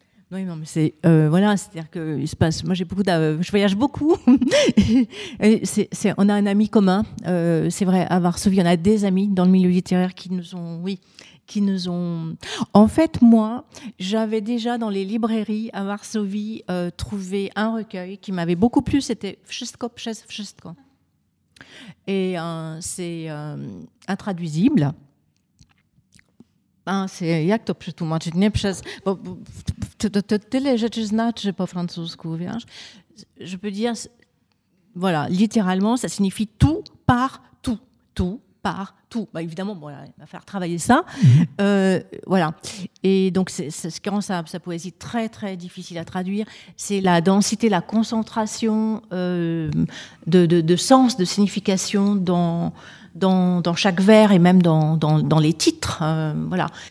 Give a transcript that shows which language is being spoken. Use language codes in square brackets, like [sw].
[fr] Oui, non, mais c'est c'est-à-dire que il se passe. Moi, j'ai beaucoup je voyage beaucoup. Et on a un ami commun, c'est vrai, à Varsovie. On a des amis dans le milieu littéraire qui nous ont. En fait, moi, j'avais déjà dans les librairies à Varsovie trouvé un recueil qui m'avait beaucoup plu. C'était Wszystko przez wszystko. Et c'est intraduisible. [pl] A, c'est, jak to przetłumaczyć? Nie przez, bo tyle rzeczy znaczy po francusku, wiesz? [fr] Je peux dire, voilà, littéralement, ça signifie tout par tout. Tout par tout. Bah, évidemment, bon, il va falloir travailler ça. Voilà. Et donc, c'est ce qui rend sa poésie très, très difficile à traduire, c'est la densité, la concentration de sens, de signification dans chaque vers et même dans les titres, voilà.